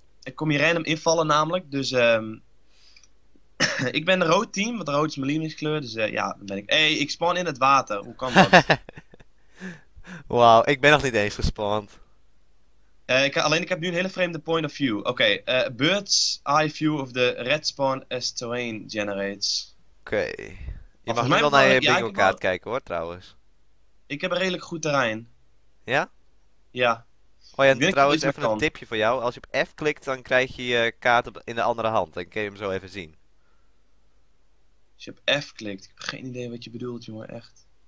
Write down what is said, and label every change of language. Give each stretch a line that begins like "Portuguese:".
Dutch: Ik kom hier random invallen namelijk, dus ik ben de rood team, want rood is mijn lievelingskleur, dus ja, dan ben ik... Hé, ik spawn in het water. Hoe kan dat? Wauw, ik ben nog niet eens gespawnd. Ik heb nu een hele vreemde
English: point of view. Oké, bird's eye view of the red spawn as terrain generates.
Dutch: Oké. Je mag nu wel naar je bingo kaart kijken hoor, trouwens. Ik heb een redelijk goed terrein. Ja? Ja. Oh ja, trouwens even een tipje voor jou. Als je op F klikt, dan krijg je je kaart in de andere hand. Dan kun je hem zo even zien. Als je op F klikt, ik heb geen idee wat je bedoelt, jongen, echt.